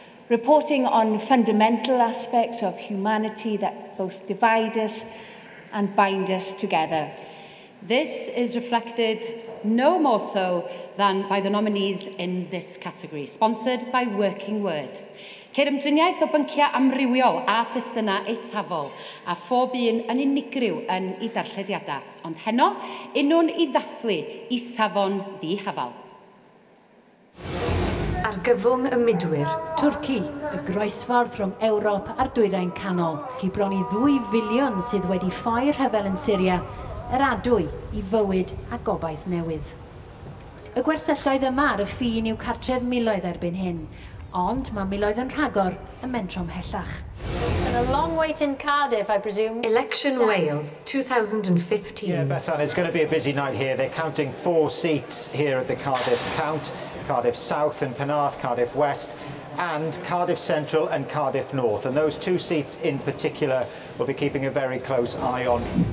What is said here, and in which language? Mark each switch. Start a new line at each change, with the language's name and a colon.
English: Reporting on fundamental aspects of humanity that both divide us and bind us together. This is reflected no more so than by the nominees in this category, sponsored by Working Word.
Welsh: Ceir ymdriniaeth o bynciau amrywiol a thestynau eithafol, a phob un yn unigryw yn ei darllediadau, ond heno, unwn i ddathlu i safon ddihafal. Argyfwng y Midwyr. Twrci, y groesffordd rhwng Ewrop a'r Dwyrain Canol. Cy bron i 2 filiwn sydd wedi ffai rhyfel yn Syria, yr adwy i fywyd a gobaith newydd. Y gwersylloedd yma ar y ffin yw cartref miloedd erbyn hyn, ond mae miloedd yn rhagor y mentro ymhellach.
English: And a long wait in Cardiff, I presume. Election Wales 2015. Yeah, Bethan, it's going to be a busy night here. They're counting 4 seats here at the Cardiff count. Cardiff South and Penarth, Cardiff West, and Cardiff Central and Cardiff North. And those 2 seats in particular will be keeping a very close eye on.